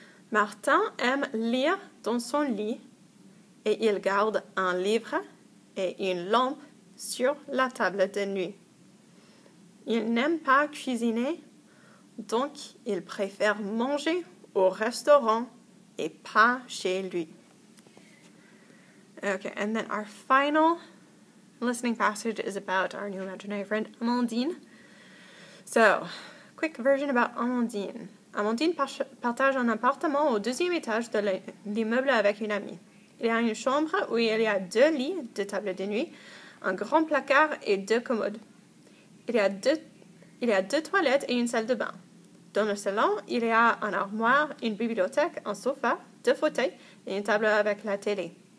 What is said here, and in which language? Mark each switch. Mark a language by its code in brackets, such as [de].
[fr] Martin aime lire dans son lit et il garde un livre et une lampe sur la table de nuit. Il n'aime pas cuisiner, donc il préfère manger au restaurant et pas chez lui. [en] Okay, and then our final listening passage is about our new imaginary friend, Amandine. So, quick version about Amandine. [fr] Amandine partage un appartement au deuxième étage de l'immeuble avec une amie. Il y a une chambre où il y a deux lits, deux tables de nuit, un grand placard et deux commodes. Il y a deux toilettes et une salle de bain. Dans le salon, il y a un armoire, une bibliothèque, un sofa, deux fauteuils et une table avec la télé.